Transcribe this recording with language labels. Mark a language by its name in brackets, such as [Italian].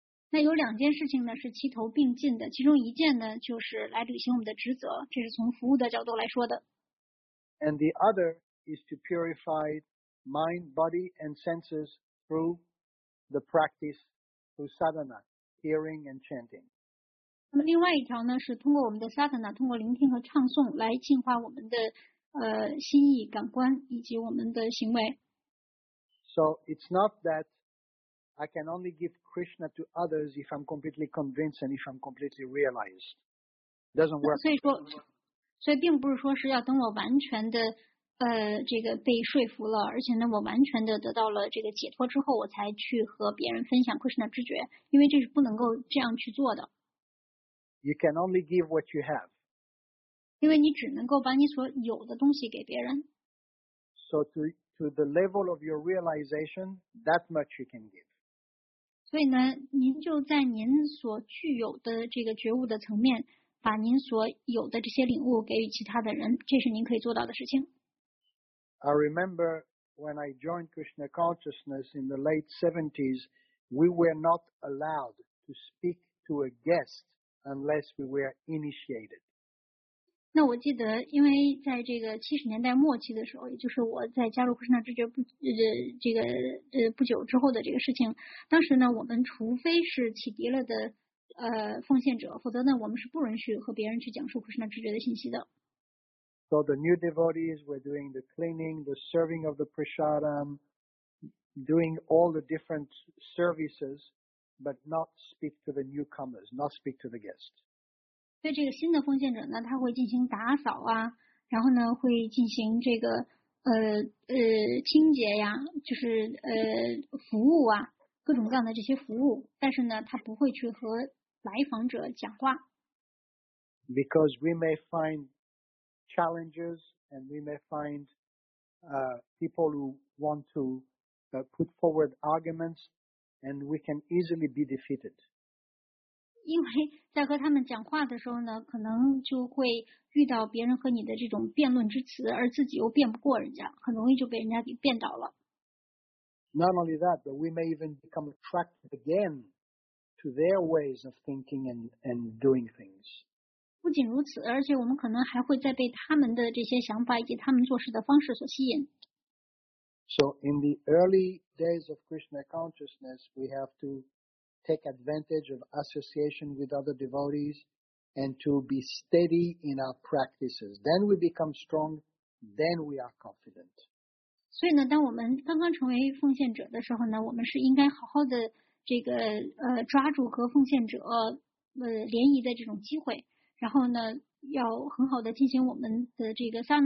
[Chinese] 那有两件事情呢是齐头并进的，其中一件呢就是来履行我们的职责，这是从服务的角度来说的。 [English] And the other is to purify mind, body, and senses through the practice through sadhana, hearing and chanting. [Chinese] 那么另外一条呢是通过我们的 sadhana, 通过聆听和唱诵来净化我们的心意、感官以及我们的行为。 [English] So it's not that I can only give Krishna to others if I'm completely convinced and if I'm completely realized. It doesn't work. [Chinese] 所以并不是说是要等我完全的这个被说服了，而且呢我完全的得到了这个解脱之后，我才去和别人分享 Krishna 知觉，因为这是不能够这样去做的。 [English] You can only give what you have. [Chinese] 因为你只能够把你所有的东西给别人。 [English] So to the level of your realization, that much you can give. [Chinese] 所以呢，您就在您所具有的这个觉悟的层面，把您所有的这些领悟给予其他的人，这是您可以做到的事情。 [English] I remember when I joined Krishna Consciousness in the late 70s, we were not allowed to speak to a guest unless we were initiated. [Chinese] 那我记得，因为在这个70年代末期的时候，也就是我在加入Krishna知觉不久之后的这个事情，当时呢，我们除非是启迪了的奉献者，否则呢，我们是不允许和别人去讲述Krishna知觉的信息的。 [English] So the new devotees were doing the cleaning, the serving of the prasadam, doing all the different services, but not speak to the newcomers, not speak to the guests. [Chinese] 所以这个新的奉献者呢，他会进行打扫啊，然后呢会进行这个清洁呀，就是服务啊，各种各样的这些服务，但是呢他不会去和来访者讲话。 [English] Because we may find challenges and we may find people who want to put forward arguments and we can easily be defeated. [Chinese] 因为在和他们讲话的时候呢，可能就会遇到别人和你的这种辩论之词，而自己又辩不过人家，很容易就被人家给辩倒了。 [English] Not only that, but we may even become attracted again to their ways of thinking and doing things. [Chinese] 不仅如此，而且我们可能还会再被他们的这些想法以及他们做事的方式所吸引。 [English] So in the early days of Krishna consciousness, we have toTake advantage of association with other devotees and to be steady in our practices. Then we become strong, then we are confident. So, when we are just becoming volunteers, we should take advantage of the opportunity to grab volunteers and volunteers.